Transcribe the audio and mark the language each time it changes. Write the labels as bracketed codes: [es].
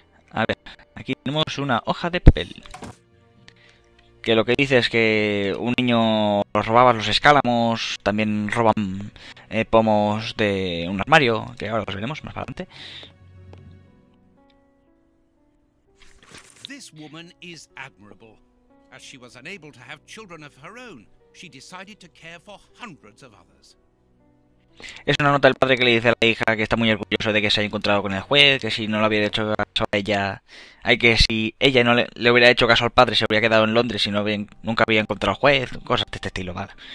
[es] A ver, aquí tenemos una hoja de papel. Que lo que dice es que un niño los robaba los escálamos, también roban pomos de un armario, que ahora los veremos más adelante. [en] This woman is admirable. As she was unable to have children of her own, she decided to care for hundreds of others. [es] Es una nota del padre que le dice a la hija que está muy orgulloso de que se haya encontrado con el juez, que si no le hubiera hecho caso a ella, hay que si ella no le hubiera hecho caso al padre se habría quedado en Londres y nunca había encontrado al juez, cosas de este estilo, ¿vale?